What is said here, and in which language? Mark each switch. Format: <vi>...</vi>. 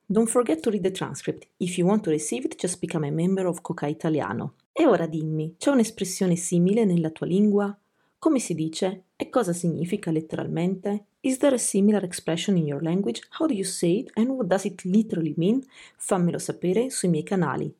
<en>Don't forget to read the transcript. If you want to receive it, just become a member of Cocai Italiano.</en> <it>E ora dimmi, c'è un'espressione simile nella tua lingua? Come si dice? E cosa significa letteralmente?</it> <en>Is there a similar expression in your language? How do you say it and what does it literally mean?</en> <it>Fammelo sapere sui miei canali.</it>